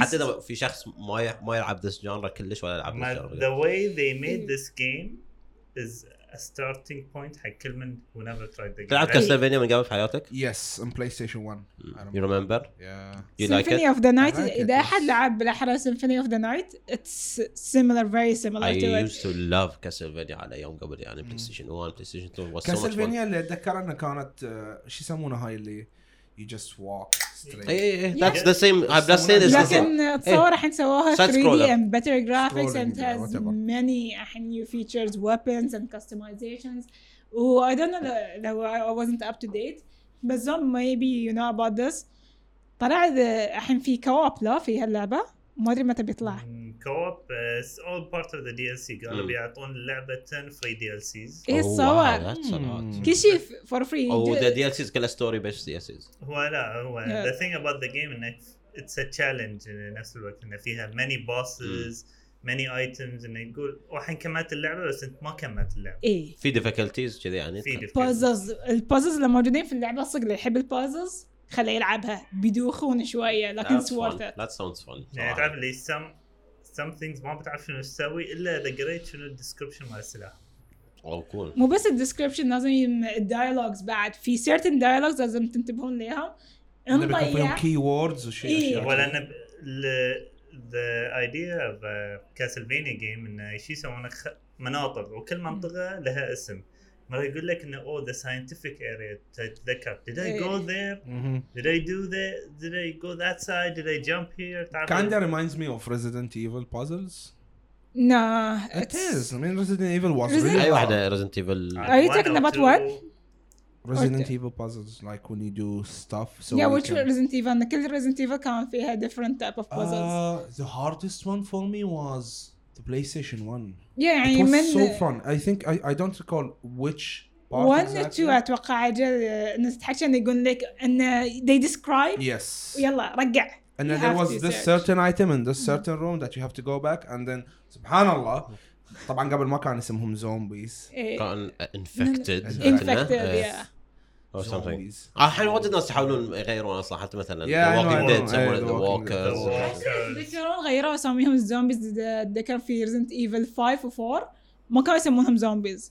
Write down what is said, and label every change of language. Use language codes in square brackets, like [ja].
[ar] حتى إذا في شخص ما يلعب [en] this genre [ar] كلش ولا يلعب. [en] The way they made this game is. A starting point [ar] حق كل من [en] who never tried the game. [ar] لعبت كاستلفينيا من قبل في حياتك؟ [en] Yes, on PlayStation 1. You remember? Yeah. You like it? Symphony of the Night. [ar] إذا أحد لعب بالأحرى [en] Symphony of the Night, it's similar, very similar to it. I used to love Castlevania [ar] على يوم قبل يعني [en] PlayStation 1, PlayStation 2 was so much fun. [ar] كاستلفينيا اللي أتذكر أنها كانت شو يسمونها هاي اللي [en] you just walk straight. Yeah, that's the same. I've just said this. [ar] لكن تصور الحين سووها [en] 3D and better graphics and has many new features, weapons and customizations. Oh, I don't know that I wasn't up to date. But some maybe you know about this. [ar] طلع الحين في كواب لا في هاللعبة. ما أدري متى بيطلع. [en] Co-op is all part of the DLC. [ar] قالوا بيعطون اللعبة [en] 10 free DLCs. [ar] إيه صور. كل شيء [en] for free. أو the DLCs كلها story based DLCs. [ar] هو لا هو. [en] The thing about the game إنك it's a challenge [ar] إن نفس الوقت إن فيها [en] many bosses, many items [ar] إن يقول وحين كملت اللعبة [en] بس أنت ما كملت اللعبة. [ar] إيه. في difficulties كذي يعني. في [en] puzzles. [ar] البuzzles اللي موجودين في اللعبة صدق اللي يحب البuzzles. خليه يلعبها بدوخون شوية لكن سوالفه. [en] That sounds fun. [ar] يعني تعرف لي [en] some things [ar] ما بتعرف شنو تسوي إلا إذا قريت شنو الديسكريبشن مال السلاح. أو كول. مو بس الديسكريبشن لازم الديالوجز بعد في [en] certain dialogues [ar] لازم تنتبهون ليها. اللي بيكون فيهم keywords وشيء. إيه. ولأن [en] the idea of a Castlevania game [ar] إنه شيء يسوونه مناطق وكل منطقة لها اسم. مره يقول لك انه [en] oh, the scientific area تذكر did I go there did I do that did I go that side did I jump here kind of reminds me of Resident Evil puzzles yeah No, it is. I mean, Resident Evil was really loud. Resident Evil. Are you talking about what? Resident Evil puzzles, like when you do stuff. So yeah, which Resident Evil? The killer Resident Evil can't be a different type of puzzles. The hardest one for me was the PlayStation 1. Yeah, it was so fun. I think I don't recall which part. One, two, I think. They describe. Yes. [ar] Yalla, رجع. [en] And then there was this certain item in this certain room that you have to go back, and then subhanallah. [ar] طبعا قبل ما كان اسمهم زومبيز كان infected [en] infected yeah or something. [ar] الحين وايد الناس يحاولون يغيرون اصلا حتى مثلا Walking Dead يسمونه The Walkers. يذكرون غيروا اسميهم الزومبيز اللي كان في Resident Evil 5 و 4 ما كانوا يسمونهم زومبيز.